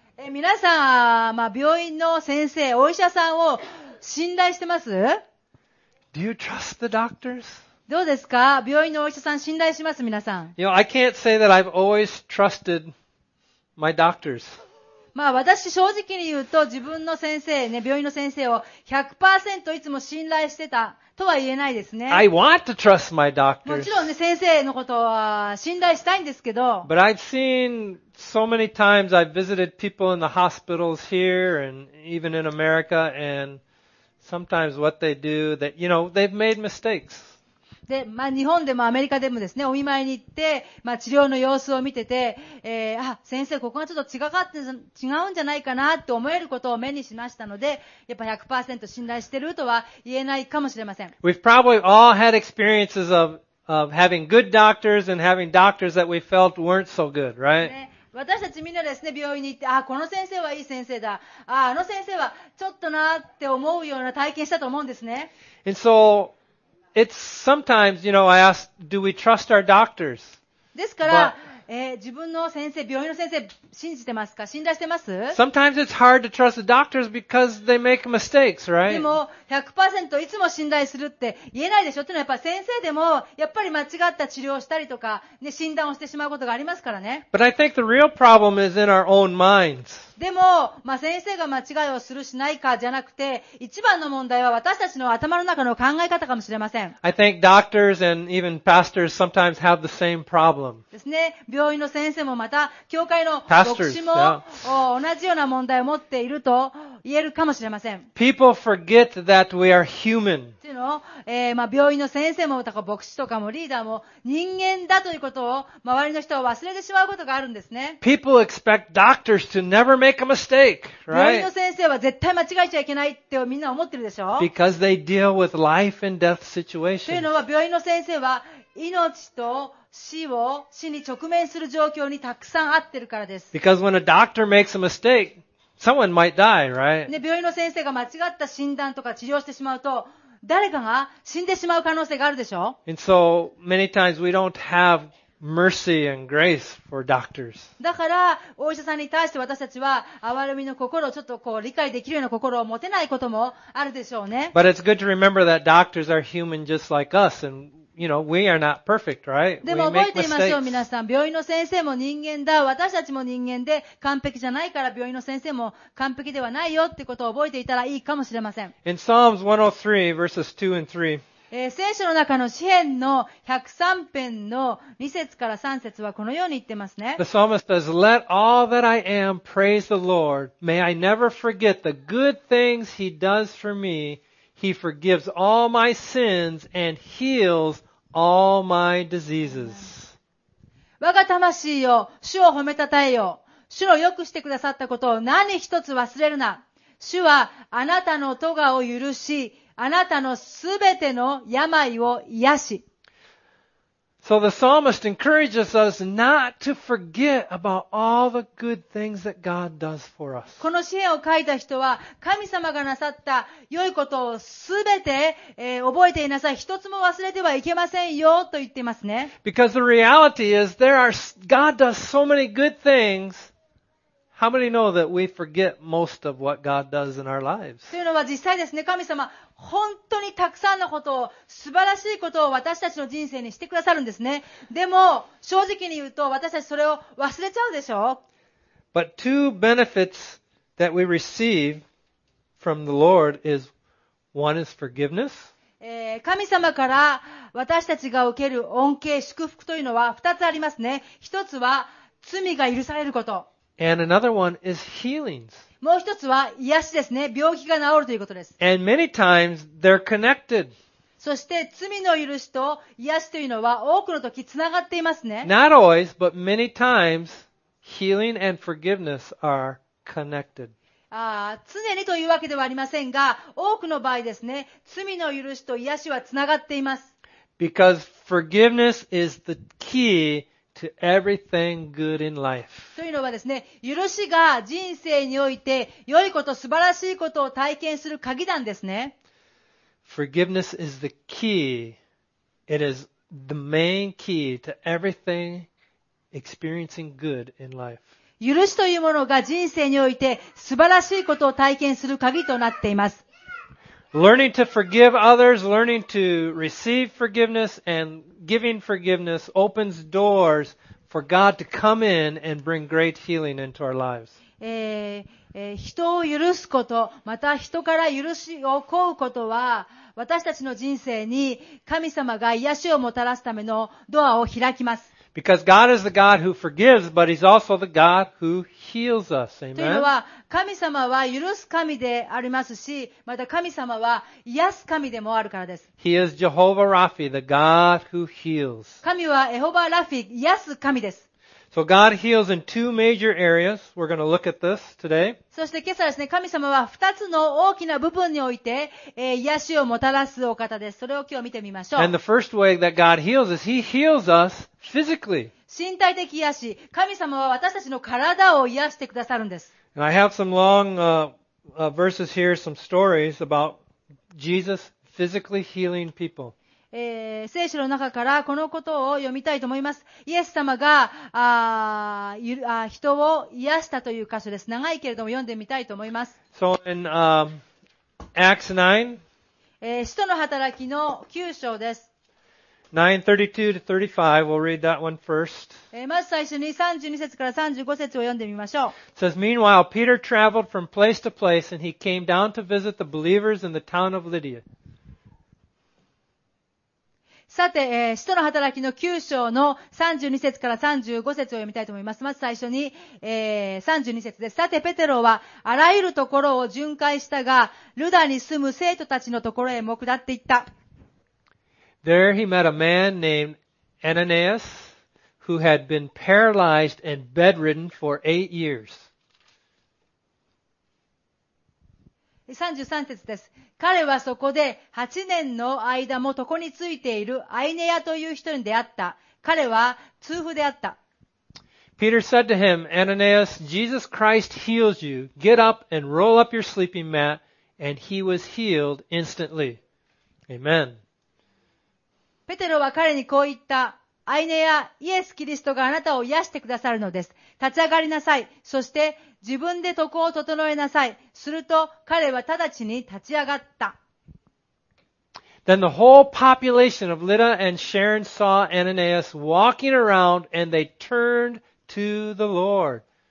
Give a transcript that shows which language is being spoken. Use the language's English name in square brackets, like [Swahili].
[Japanese] 皆さん、まあ、病院の先生、お医者さんを信頼してます？ [English] Do you trust the doctors? [Japanese] どうですか？病院のお医者さん信頼します、皆さん。 [English] You know, I can't say that I've always trusted my doctors. [Japanese] まあ私正直に言うと自分の先生ね、病院の先生を 100% いつも信頼してたとは言えないですね。 [English] I want to trust my doctors. [Japanese] もちろんね、先生のことは信頼したいんですけど。 [English] But I've seen so many times I've visited people in the hospitals here and even in America and sometimes what they do that, you know, they've made mistakes. [Japanese] で、まあ、日本でもアメリカでもですね、お見舞いに行って、まあ、治療の様子を見てて、あ、先生、ここがちょっと違うんじゃないかなって思えることを目にしましたので、やっぱ 100% 信頼してるとは言えないかもしれません。 [English] We've probably all had experiences of having good doctors and having doctors that we felt weren't so good, right?、 [Japanese] ね私たちみんなですね、病院に行って、あ、この先生はいい先生だ。あ、あの先生はちょっとなって思うような体験したと思うんですね。 [English] And so,It's sometimes, you know, I ask, do we trust our doctors? [Japanese] ですから、自分の先生、病院の先生、信じてますか？信頼してます？ [English] Sometimes it's hard to trust the doctors because they make mistakes, right? [Japanese] でも 100% いつも信頼するって言えないでしょ？というのはやっぱり先生でもやっぱり間違った治療をしたりとか、ね、診断をしてしまうことがありますからね。 [English] But I think the real problem is in our own minds. [Japanese] でも、まあ、先生が間違いをするしないかじゃなくて、一番の問題は私たちの頭の中の考え方かもしれません。 [English] I think doctors and even pastors sometimes have the same problem. [Japanese] ですね。病院の先生もまた、教会の牧師も、 [English] pastors, yeah. [Japanese] 同じような問題を持っていると言えるかもしれません。 [English] People forget that we are human. [Japanese] っていうのを、まあ、病院の先生もとか牧師とかもリーダーも人間だということを周りの人は忘れてしまうことがあるんですね。 [English] People expect doctors to never make a mistake, right? [Japanese] 病院の先生は絶対間違えちゃいけないってみんな思ってるでしょ? [English] Because they deal with life and death situations. [Japanese] というのは病院の先生は命と死に直面する状況にたくさんあってるからです。 [English] Because when a doctor makes a mistake, someone might die, right? [Japanese] ね、病院の先生が間違った診断とか治療してしまうと、誰かが死んでしまう可能性があるでしょ? [English] And so many times we don't have mercy and grace for doctors. [Japanese] だから、お医者さんに対して私たちは、憐れみの心をちょっとこう理解できるような心を持てないこともあるでしょうね。 [English] But it's good to remember that doctors are human just like us andYou know, we are not perfect, right? [Japanese] でも覚えていましょう、皆さん。病院の先生も人間だ。私たちも人間で完璧じゃないから、病院の先生も完璧ではないよってことを覚えていたらいいかもしれません。 [English] In Psalms 103, verses 2 and 3. [Japanese] 聖書の中の詩編の103編の2節から3節はこのように言ってますね。 [English] The psalmist says, Let all that I am praise the Lord. May I never forget the good things He does for me. He forgives all my sins and heals all my diseases. [Japanese] 我が魂よ、主を褒めたたえよ。主の良くしてくださったことを何一つ忘れるな。主はあなたの咎を許し、あなたのすべての病を癒し。 [English] So the psalmist encourages us not to forget about all the good things that God does for us. [Japanese] この詩編を書いた人は神様がなさった良いことをすべて、覚えていなさい。一つも忘れてはいけませんよと言っていますね。 [English] Because the reality is God does so many good things. How many know that we forget most of what God does in our lives? [Japanese] というのは実際ですね、神様、本当にたくさんのことを、素晴らしいことを私たちの人生にしてくださるんですね。でも、正直に言うと、私たちそれを忘れちゃうでしょう。 [English] But two benefits that we receive from the Lord is, one is forgiveness. [Japanese] 神様から私たちが受ける恩恵、祝福というのは二つありますね。一つは、罪が許されること。 [English] And another one is healings. [Japanese] もう一つは癒しですね。病気が治るということです。 [English] And many times they're connected. [Japanese] そして罪の許しと癒しというのは多くの時つながっていますね。 [English] Not always, but many times healing and forgiveness are connected. [Japanese] 常にというわけではありませんが、多くの場合ですね、罪の許しと癒しはつながっています。 [English] Because forgiveness is the key. To everything good in life. [Japanese] というのはですね、許しが人生において良いこと、素晴らしいことを体験する鍵なんですね。 [English] Forgiveness is the key. It is the main key to everything experiencing good in life. [Japanese] 許しというものが人生において素晴らしいことを体験する鍵となっています。 [English] Learning to forgive others, learning to receive forgiveness and giving forgiveness opens doors for God to come in and bring great healing into our lives. [Japanese] 人を許すこと、また人から許しを請うことは、私たちの人生に神様が癒しをもたらすためのドアを開きます。 [English] Because God is the God who forgives, but He's also the God who heals us. Amen. [Japanese] というのは、神様は許す神でありますし、また神様は癒す神でもあるからです。 [English] He is Jehovah Rapha, the God who heals. [Japanese] 神はエホバラフィ、癒す神です。 [English] So God heals in two major areas. We're going to look at this today. [Japanese] そして今朝ですね、神様は二つの大きな部分において、癒しをもたらすお方です。それを今日見てみましょう。 [English] And the first way that God heals is He heals us physically. [Japanese] 身体的癒し。神様は私たちの体を癒してくださるんです。 [English] And I have some long, verses here, some stories about Jesus physically healing people. [Japanese] 聖書の中からこのことを読みたいと思います。イエス様が人を癒したという箇所です。長いけれども読んでみたいと思います。 [English] So in, Acts 9, [Japanese] 使徒の働きの9章です。9:32 [English] to 35, we'll read that one first. [Japanese] まず最初に32節から35節を読んでみましょう。 [English] It says, Meanwhile, Peter traveled from place to place and he came down to visit the believers in the town of Lydia. [Japanese] さて、使徒の働きの9章の32節から35節を読みたいと思います。まず最初に、32節です。さて、ペテロはあらゆるところを巡回したが、ルダに住む生徒たちのところへも下っていった。 [English] There he met a man named Ananias, who had been paralyzed and bedridden for 8 years. [Japanese] 33節です。彼はそこで8年の間も床についているアイネアという人に出会った。彼は痛風であった。 [English] Peter said to him, Ananias, Jesus Christ heals you. Get up and roll up your sleeping mat. And he was healed instantly. Amen. [Japanese] ペテロは彼にこう言った。アイネア、イエス・キリストがあなたを癒してくださるのです。立ち上がりなさい。そして、自分で床を整えなさい。すると彼は直ちに立ち上がった。 [English] Then the whole population of Lydda and Sharon saw Ananias walking around and they turned to the Lord.